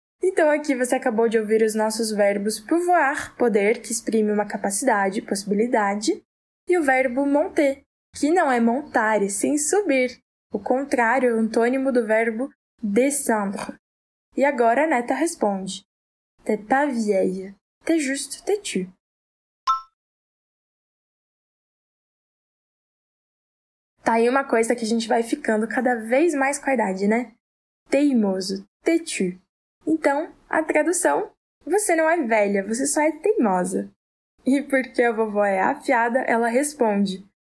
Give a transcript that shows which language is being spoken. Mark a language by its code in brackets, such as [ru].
[pt] Então, aqui você acabou de ouvir os nossos verbos pouvoir, poder, que exprime uma capacidade, possibilidade, e o verbo monter, que não é montar, e sim subir. O contrário, o antônimo do verbo descendre. E agora a neta responde. [fr] T'es pas vieille, t'es juste têtu. [pt] Tá aí uma coisa que a gente vai ficando cada vez mais com a idade, né? Teimoso, têtu. Então, a tradução, você não é velha, você só é teimosa. E porque a vovó é afiada, ela responde.